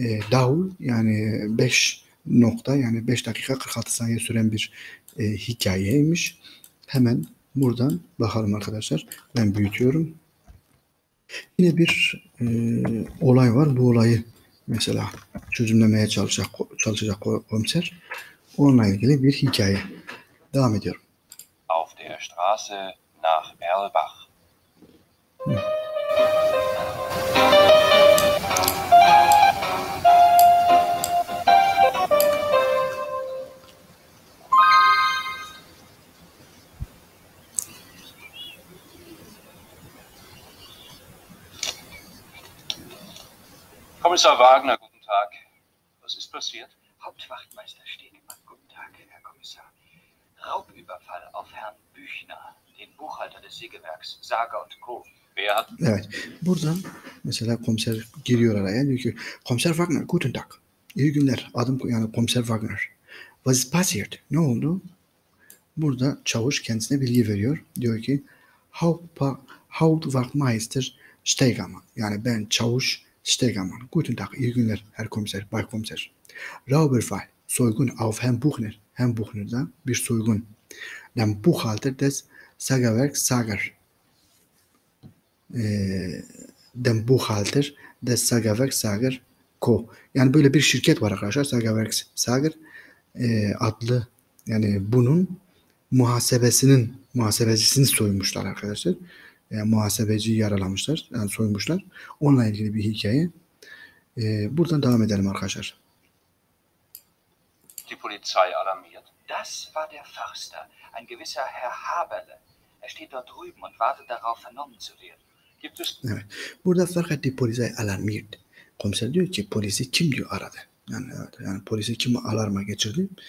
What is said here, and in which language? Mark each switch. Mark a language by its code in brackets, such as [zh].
[tr] Daul yani 5 nokta yani 5 dakika 46 saniye süren bir hikayeymiş. Hemen buradan bakalım arkadaşlar. Ben büyütüyorum. Yine bir olay var. Bu olayı mesela çözümlemeye çalışacak komiser. Onunla ilgili bir hikaye. Devam ediyorum. [de] Auf der Straße nach Erlbach. Kommissar Wagner, guten Tag. Was ist passiert? Hauptwachtmeister Stegemann, guten Tag, Herr Kommissar. Raubüberfall auf Herrn Büchner, den Buchhalter des Sägewerks, Sager und Co. Wer hat... [tr] Evet, buradan mesela komiser giriyor araya. Diyor ki, [de] Kommissar Wagner, guten Tag. [tr] İyi günler, adım yani Kommissar Wagner. [de] Was ist passiert? [tr] Ne oldu? Burada çavuş kendisine bilgi veriyor. Diyor ki, Hauptwachtmeister Stegemann. Yani ben çavuş... Stegemann, [de] guten Tag, [tr] iyi günler, [de] Herr Kommissar, [tr] Bay Kommissar. [de] Raubüberfall, [tr] soygun [de] auf Herrn Buchner, [tr] Herrn Buchner'da bir soygun. [de] Dem Buchhalter des Sägewerks Sager. Dem Buchhalter des Sägewerks Sager Co. [tr] Yani böyle bir şirket var arkadaşlar, Sägewerks Sager adlı, yani bunun muhasebesini soymuşlar arkadaşlar. Yani muhasebeciyi yaralamışlar, yani soymuşlar. Onunla ilgili bir hikaye. Buradan devam edelim arkadaşlar. [de] Die Polizei alarmiert. Das war der Förster, ein gewisser Herr Haberle. Er steht dort drüben und wartet darauf, vernommen zu werden. Gibt es? [tr] Evet. Burada fakat [de] die Polizei alarmiert. [tr] Komiser diyor ki, polisi kim diyor aradı? Yani, evet, yani polisi kim alarma geçirdi?